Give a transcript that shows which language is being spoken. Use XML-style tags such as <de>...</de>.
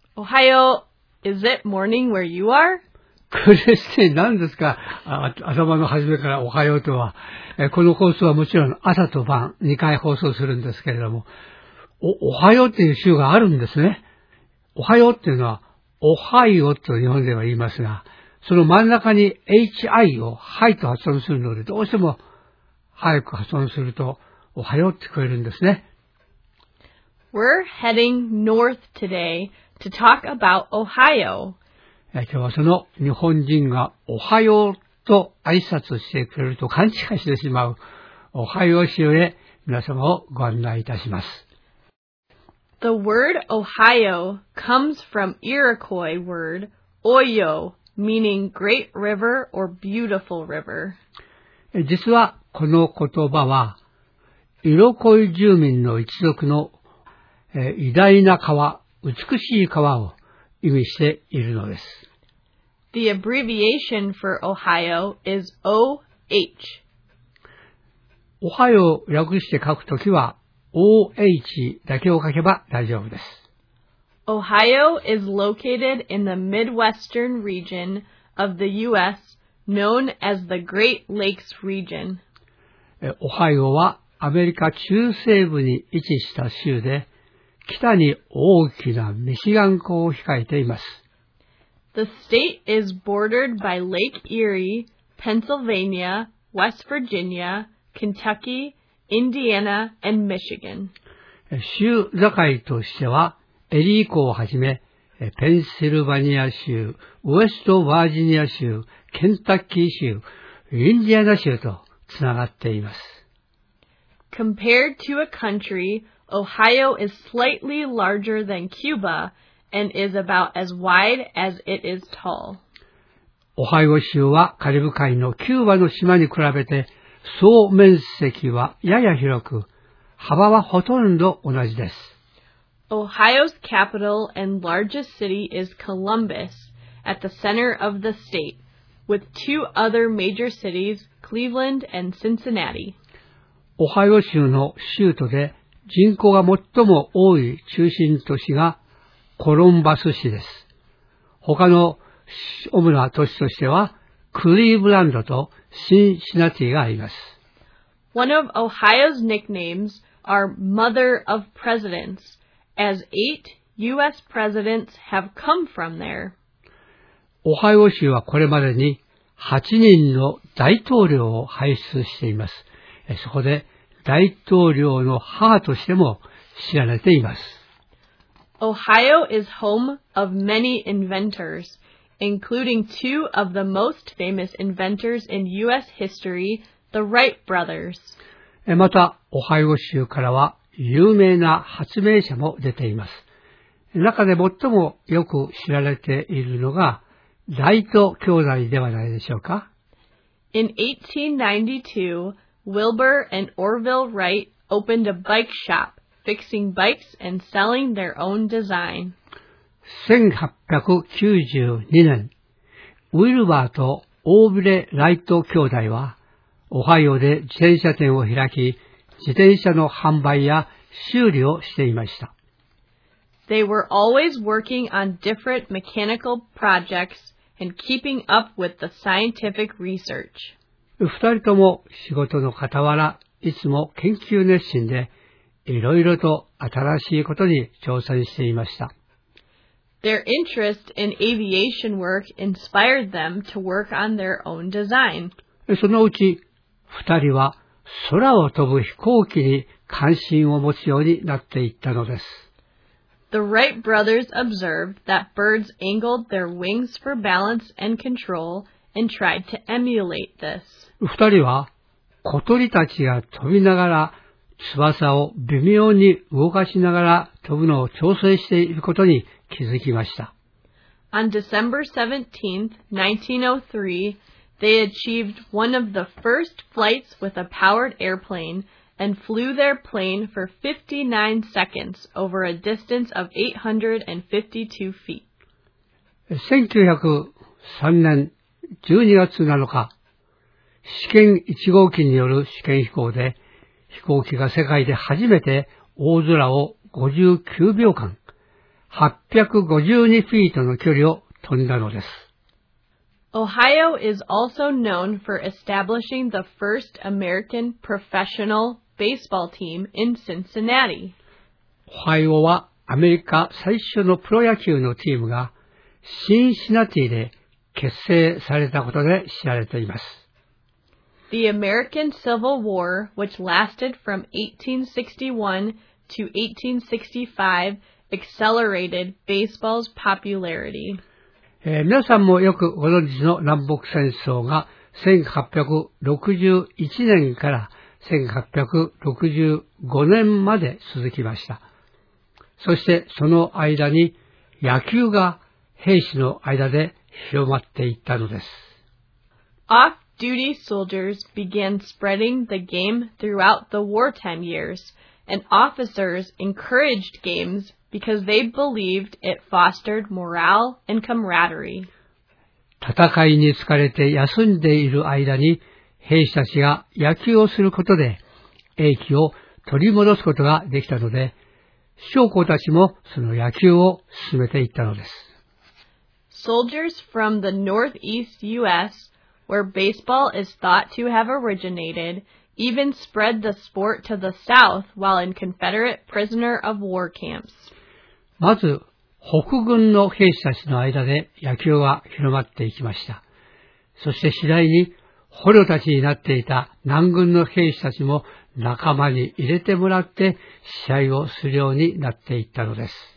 <en>Ohio, is it morning where you are?</en> <ja>これって何ですか？頭の始めからおはようとは。この放送はもちろん朝と晩2回放送するんですけれども、おはようっていう週があるんですね。おはようっていうのは、おはようと日本では言いますが、その真ん中に HI をはいと発音するので、どうしても早く発音するとおはようって聞こえるんですね。</ja> <en>We're heading north today to talk about Ohio.</en> <ja>今日はその日本人がおはようと挨拶してくれると勘違いしてしまうおはよう州へ皆様をご案内いたします。</ja> <en>The word Ohio comes from Iroquois word Oyo, meaning great river or beautiful river.</en> <ja>実はこの言葉はイロコイ住民の一族の偉大な川、美しい川を意味しているのです。</ja> <en>The abbreviation for Ohio is OH.</en> <ja>Ohio を略して書くときは OH だけを書けば大丈夫です。</ja> <en>Ohio is located in the Midwestern region of the US, known as the Great Lakes region.</en> <ja>Ohio はアメリカ中西部に位置した州で、北に大きなミシガン湖を控えています。</ja> <en>The state is bordered by Lake Erie, Pennsylvania, West Virginia, Kentucky, Indiana, and Michigan.</en> <ja>州境としては、エリー湖をはじめ、ペンシルバニア州、ウェストバージニア州、ケンタッキー州、インディアナ州とつながっています。</ja> <en>Compared to a country,Ohio is slightly larger than Cuba and is about as wide as it is tall.</en> <ja>Ohio 州はカリブ海のキューバの島に比べて総面積はやや広く、幅はほとんど同じです。</ja> <en>Ohio's capital and largest city is Columbus, at the center of the state, with two other major cities, Cleveland and Cincinnati.</en> <ja>Ohio 州の州都で人口が最も多い中心都市がコロンバス市です。他の主な都市としてはクリーブランドとシンシナティがあります。</ja> <en>One of Ohio's nicknames are Mother of Presidents, as 8 US presidents have come from there.</en> <ja>オハイオ州はこれまでに8人の大統領を輩出しています。そこで大統領の母としても知られています。</ja> <en>Ohio is home of many inventors, including two of the most famous inventors in U.S. history, the Wright brothers.</en> <ja>また、オハイオ州からは有名な発明者も出ています。中で最もよく知られているのが、ライト兄弟ではないでしょうか。</ja> <en>In 1892, Wilbur and Orville Wright opened a bike shop, fixing bikes and selling their own design.</en> <ja>1892年、ウィルバーとオーヴレ・ライト兄弟は、オハイオで自転車店を開き、自転車の販売や修理をしていました。</ja> <en>They were always working on different mechanical projects and keeping up with the scientific research.</en> <ja>二人とも仕事の傍ら、いつも研究熱心で、いろいろと新しいことに挑戦していました。</ja> <en>Their interest in aviation work inspired them to work on their own design.</en> <ja>そのうち、二人は空を飛ぶ飛行機に関心を持つようになっていったのです。</ja> <en>The Wright brothers observed that birds angled their wings for balance and control and tried to emulate this.</en> <ja>二人は小鳥たちが飛びながら翼を微妙に動かしながら飛ぶのを調整していることに気づきました。</ja> <en>On December 17th, 1903, they achieved one of the first flights with a powered airplane and flew their plane for 59 seconds over a distance of 852 feet.</en> <ja>1903年12月7日、試験1号機による試験飛行で、飛行機が世界で初めて大空を59秒間、852フィートの距離を飛んだのです。</ja> <en>Ohio is also known for establishing the first American professional baseball team in Cincinnati.</en> <ja>Ohio はアメリカ最初のプロ野球のチームがシンシナティで結成されたことで知られています。</ja> <en>The American Civil War, which lasted from 1861 to 1865, accelerated baseball's popularity.</en> <ja>皆さんもよくご存知の南北戦争が1861年から1865年まで続きました。そしてその間に野球が兵士の間で広まっていったのです。</ja> <en>Off-duty soldiers began spreading the game throughout the wartime years, and officers encouraged games because they believed it fostered morale and camaraderie.</en> <ja>戦いに疲れて休んでいる間に兵士たちが野球をすることで英気を取り戻すことができたので、将校たちもその野球を進めていったのです。</ja> <en>Soldiers from the Northeast U.S., where baseball is thought to have originated, even spread the sport to the South while in Confederate prisoner of war camps.</en> <ja>まず、北軍の兵士たちの間で野球は広まっていきました。そして次第に、捕虜たちになっていた南軍の兵士たちも仲間に入れてもらって試合をするようになっていったのです。</ja>